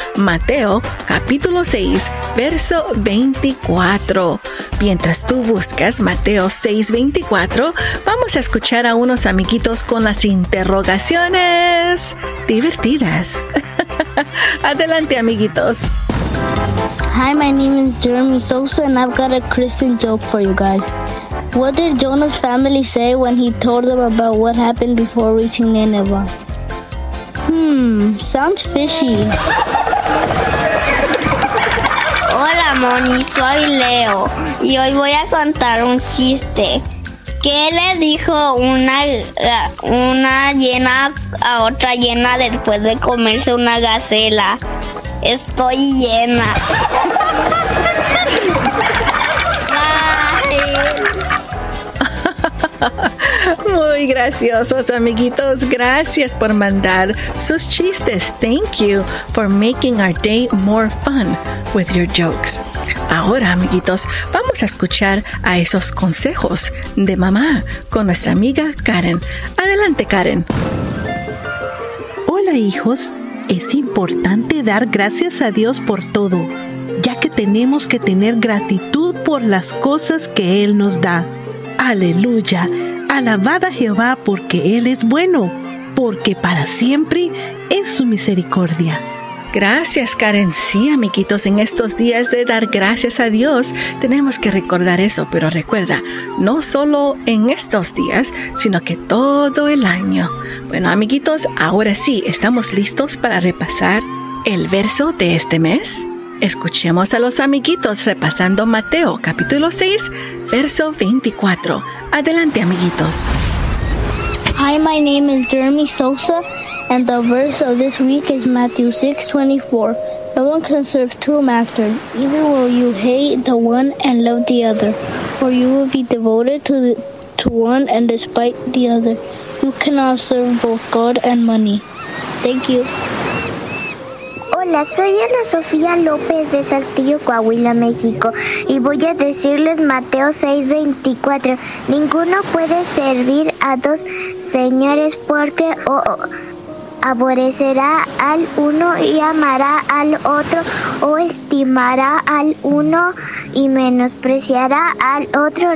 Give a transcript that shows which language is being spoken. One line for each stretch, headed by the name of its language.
Spanish: Mateo capítulo 6, verso 24. Mientras tú buscas Mateo 6, 24, vamos a escuchar a unos amiguitos con las interrogaciones divertidas. Adelante, amiguitos.
English: Hi, my name is Jeremy Sosa, and I've got a Christian joke for you guys. What did Jonah's family say when he told them about what happened before reaching Nineveh? Sounds fishy.
Spanish: Hola, Moni, soy Leo, y hoy voy a contar un chiste. ¿Qué le dijo una hiena a otra hiena después de comerse una gacela? Estoy llena.
English: Bye.
Spanish: Muy graciosos, amiguitos. Gracias por mandar sus chistes.
English: Thank you for making our day more fun with your jokes.
Spanish: Ahora, amiguitos, vamos a escuchar a esos consejos de mamá con nuestra amiga Karen. Adelante, Karen. Hola, hijos. Es importante dar gracias a Dios por todo, ya que tenemos que tener gratitud por las cosas que Él nos da. ¡Aleluya! Alabad a Jehová porque Él es bueno, porque para siempre es su misericordia. Gracias, Karen. Sí, amiguitos, en estos días de dar gracias a Dios, tenemos que recordar eso. Pero recuerda, no solo en estos días, sino que todo el año. Bueno, amiguitos, ahora sí, estamos listos para repasar el verso de este mes. Escuchemos a los amiguitos repasando Mateo capítulo 6, verso 24. Adelante, amiguitos.
English: Hi, my name is Jeremy Sosa, and the verse of this week is Matthew 6:24. No one can serve two masters. Either will you hate the one and love the other, or you will be devoted to one and despise the other. You cannot serve both God and money. Thank you.
Spanish: Hola, soy Ana Sofía López de Saltillo, Coahuila, México, y voy a decirles Mateo 6:24. Ninguno puede servir a dos señores porque aborrecerá al uno y amará al otro, o estimará al uno y menospreciará al otro.